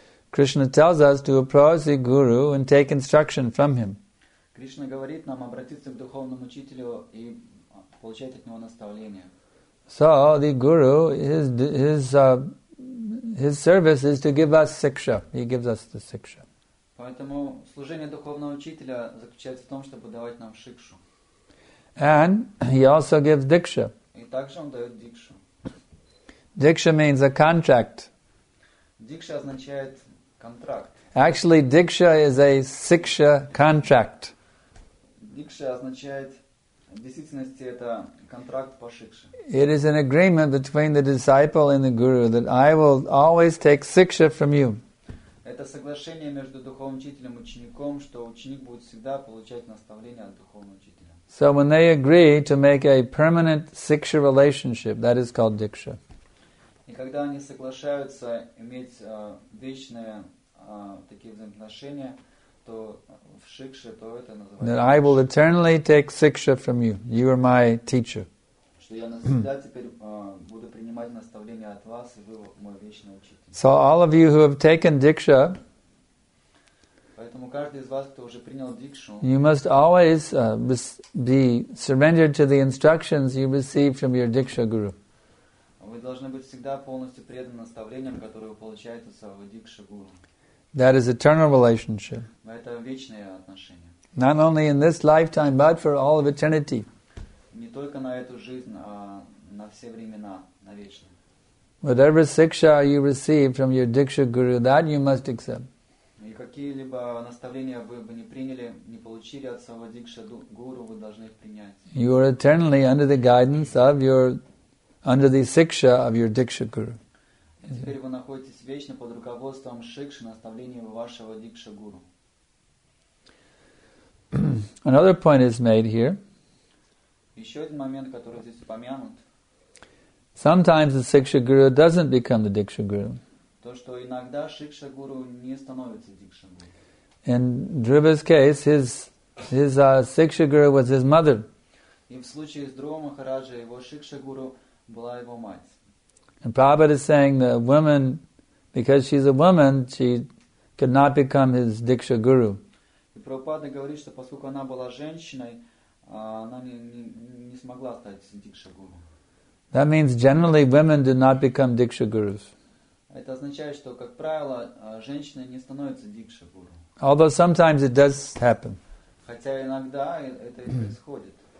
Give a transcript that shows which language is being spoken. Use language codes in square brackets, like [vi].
[en] Krishna tells us to approach the guru and take instruction from him. [ru] Krishna говорит нам обратиться к духовному учителю и получать от него наставление. [en] So the guru, his service is to give us siksha. He gives us the siksha. [ru] Поэтому служение духовного учителя заключается в том, чтобы давать нам шикшу. [en] And he also gives diksha. [ru] И также он дает дикшу. [en] Diksha means a contract. [ru] Diksha означает контракт. [en] Actually, diksha is a siksha contract. [ru] Diksha означает, в действительности, это контракт по шикше. [en] It is an agreement between the disciple and the guru that I will always take siksha from you. [ru] Это соглашение между духовным учителем и учеником, что ученик будет всегда получать наставление от духовного учителя. [en] So when they agree to make a permanent siksha relationship, that is called diksha. [ru] И когда они соглашаются иметь вечные такие взаимоотношения, то в шикше, то это называется. [en] That I will eternally take siksha from you. You are my teacher. [ru] Что я навсегда теперь буду принимать наставления от вас, и вы мой вечный учитель. [en] So all of you who have taken diksha. [ru] Поэтому каждый из вас, кто уже принял дикшу. [en] You must always be surrendered to the instructions you receive from your diksha guru. [ru] Вы должны быть всегда полностью преданы наставлениям, которые вы получаете от своего дикша гуру. [en] That is eternal relationship. [ru] Это вечные отношения. [en] Not only in this lifetime, but for all of eternity. [ru] Не только на эту жизнь, а на все времена, на вечные. [en] Whatever siksha you receive from your diksha guru, that you must accept. [ru] И какие-либо наставления вы бы не приняли, не получили от своего дикша гуру, вы должны их принять. [en] You are eternally under the guidance of your under the siksha of your diksha guru. [ru] Теперь вы находитесь вечно под руководством шикши, наставлением вашего дикша гуру. [en] Another point is made here. [ru] Еще один момент, который здесь упомянут. [en] Sometimes the siksha guru doesn't become the diksha guru. [ru] То, что иногда шикша гуру не становится дикша гуру. [en] In Dhruva's case, his siksha guru was his mother. [ru] И в случае с Друвой Махараджа его шикша гуру была его мать. [en] And Prabhupada is saying the woman, because she's a woman, she could not become his diksha guru. [ru] И Прабхупада говорит, что поскольку она была женщиной, она не смогла стать дикша гуру. [en] That means generally women do not become diksha gurus. [ru] Это означает, что как правило женщины не становятся дикша гуру. [en] Although sometimes it does happen. [ru] Хотя иногда это и происходит.